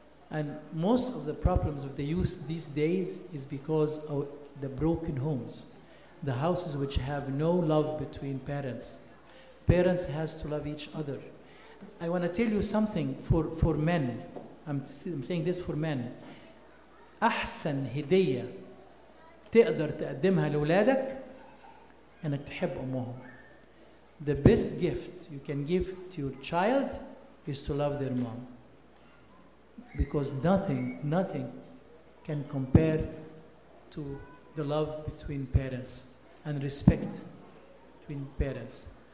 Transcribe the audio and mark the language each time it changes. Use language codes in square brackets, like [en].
[en] And most of the problems of the youth these days is because of the broken homes, the houses which have no love between parents. Parents has to love each other. I want to tell you something for men. I'm saying this for men. [ar] أحسن هدية تقدر تقدمها لولادك أنك تحب أمهم. [en] The best gift you can give to your child is to love their mom. Because nothing can compare to the love between parents and respect between parents.